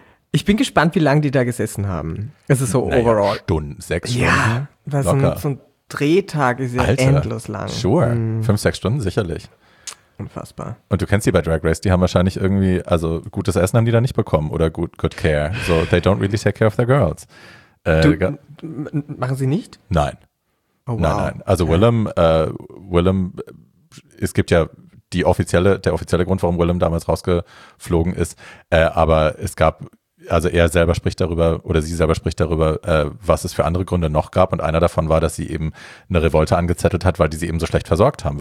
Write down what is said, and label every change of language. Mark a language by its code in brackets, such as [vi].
[de] Ich bin gespannt, wie lange die da gesessen haben. Es ist so overall. Sechs Stunden. Ja, weil locker. So ein Drehtag ist ja Alter, endlos lang. Sure. 5-6 Stunden, sicherlich. Unfassbar. Und du kennst die bei Drag Race, die haben wahrscheinlich irgendwie, also gutes Essen haben die da nicht bekommen oder [en] good care. So, they don't really take care of their girls. [de] Machen sie nicht? Nein. Oh, wow. Nein. Also okay. Willem, es gibt ja der offizielle Grund, warum Willem damals rausgeflogen ist, aber es gab, also er selber spricht darüber oder sie selber spricht darüber, was es für andere Gründe noch gab. Und einer davon war, dass sie eben eine Revolte angezettelt hat, weil die sie eben so schlecht versorgt haben.